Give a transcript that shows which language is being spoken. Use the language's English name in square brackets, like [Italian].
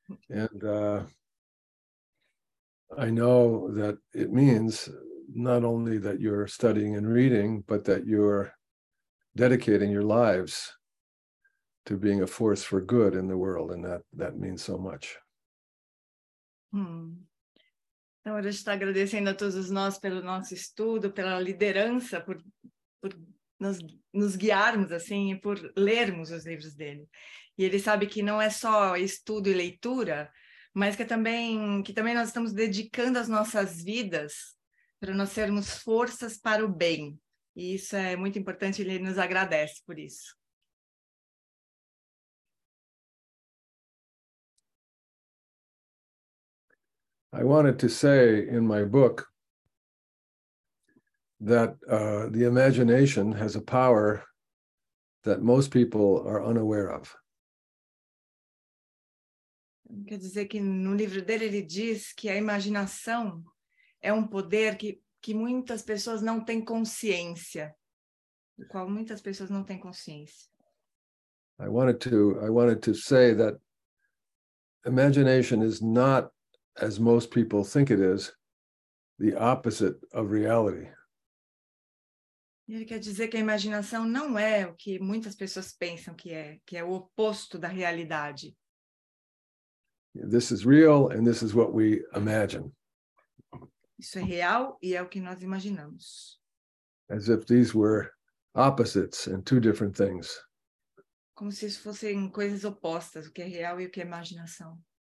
[English] And I know that it means not only that you're studying and reading, but that you're dedicating your lives to being a force for good in the world. And that means so much. [Portuguese] Então, a gente está agradecendo a todos nós pelo nosso estudo, pela liderança, por nos guiarmos, assim, e por lermos os livros dele. E ele sabe que não é só estudo e leitura, mas que também nós estamos dedicando as nossas vidas para nós sermos forças para o bem. E isso é muito importante, ele nos agradece por isso. [English] I wanted to say in my book that the imagination has a power that most people are unaware of. [Portuguese] Quer dizer que no livro dele ele diz que a imaginação é um poder que muitas pessoas não têm consciência, do qual muitas pessoas não têm consciência. [English] I wanted to say that imagination is not, as most people think it is, the opposite of reality. [Portuguese] Ele quer dizer que a imaginação não é o que muitas pessoas pensam que é o oposto da realidade. [English] This is real and this is what we imagine. [Portuguese] Isso é real e é o que nós imaginamos. [English] As if these were opposites and two different things. [Portuguese] Como se isso fossem coisas opostas, o que é real e o que é imaginação.